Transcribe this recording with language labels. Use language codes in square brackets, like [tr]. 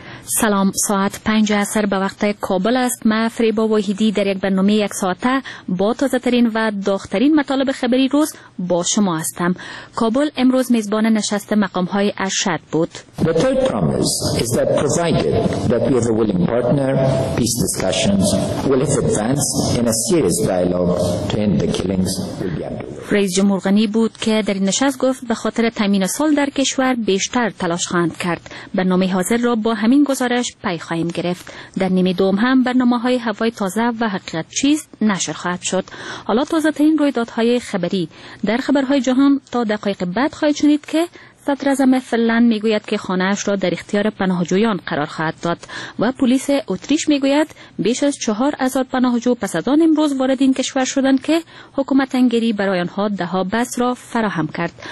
[fa] سلام، ساعت 5 عصر به وقت کابل است. من فریبا واحدی در یک برنامه یک ساعته با تازه ترین و داغ‌ترین مطالب خبری روز با شما هستم. کابل امروز میزبان نشست مقام های ارشد بود. [en] The third promise is that provided that we have a willing partner, peace discussions will have advanced in a serious dialogue to end the killings will be underway. [fa] رئیس جمهور غنی بود که در این نشست گفت به خاطر تامین صلح در کشور بیشتر تلاش خواهند کرد. برنامه حاضر را با همین گزارش پی خواهیم گرفت. در نیمه دوم هم برنامه های هوای تازه و حقیقت چیز نشر خواهد شد. حالا تازه ترین رویدادهای خبری. در خبرهای جهان تا دقایق بعد خواهید شنید که صدر اعظم فنلند میگوید که خانه اش را در اختیار پناهجویان قرار خواهد داد و پلیس اتریش میگوید بیش از 4000 پناهجو پس از آن امروز وارد این کشور شدند که حکومت انگلی برای آنها ده ها بس را فراهم کرد.